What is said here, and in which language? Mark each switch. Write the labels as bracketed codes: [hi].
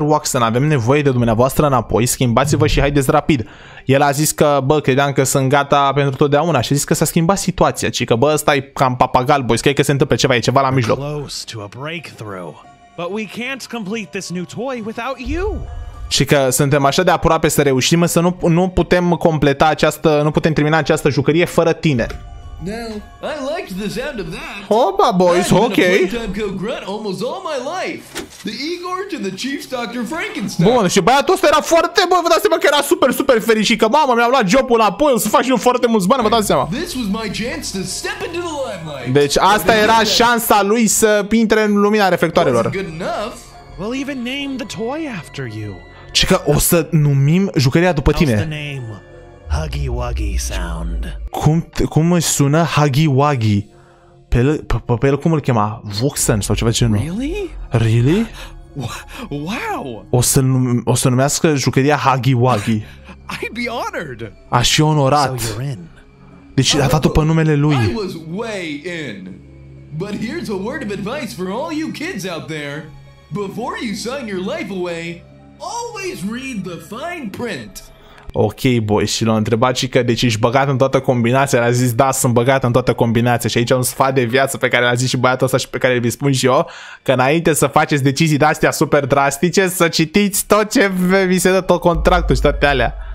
[ro] Watson, avem nevoie de dumneavoastră înapoi, schimbați-vă și haideți rapid. El a zis că, bă, credeam că sunt gata pentru totdeauna și a zis că s-a schimbat situația, ci că, bă, stai cam papagal, boys, cred că se întâmplă ceva, e ceva la mijloc. [en] Close to a breakthrough, but we can't complete this new toy without you. [ro] Și că suntem așa de aproape să reușim, însă nu putem completa această, nu putem termina această jucărie fără tine. [en] Now, I liked the sound of that. Hoppa, boys, okay. I've been a playtime co-grunt almost all my life. The Igor to the Chief's Dr. Frankenstein. [ro] Bun, și băiatul ăsta era foarte bun, vă dați seama că era super, super fericit, că mama mi-a luat jobul înapoi, o să fac și eu foarte mulți bani, vă dați seama. [en] This was my chance to step into the limelight. [ro] Deci asta era șansa lui să intre în lumina reflectoarelor. [en] Good enough. We'll even name the toy after you. [ro] Și că o să numim jucăria după tine. Huggy Wuggy sound. Cum îi sună Huggy Wuggy? Pe el cum îl chema? Voxen sau ceva genul? [en] Really? Really? Wow! [ro] O să numească jucăria Huggy Wuggy. [en] I'd be honored. [ro] Aș fi onorat. [en] So you're in. [ro] Deci a dat-o pe numele lui. [en] I was way in. But here's a word of advice for all you kids out there. Before you sign your life away, always read the fine print. [ro] Ok, boys, și l-am întrebat și că deci ești băgat în toată combinația. L-a zis, da, sunt băgat în toată combinația. Și aici un sfat de viață pe care l-a zis și băiatul ăsta și pe care îl vi spun și eu, că înainte să faceți decizii de-astea super drastice, să citiți tot ce vi se dă, tot contractul și toate alea.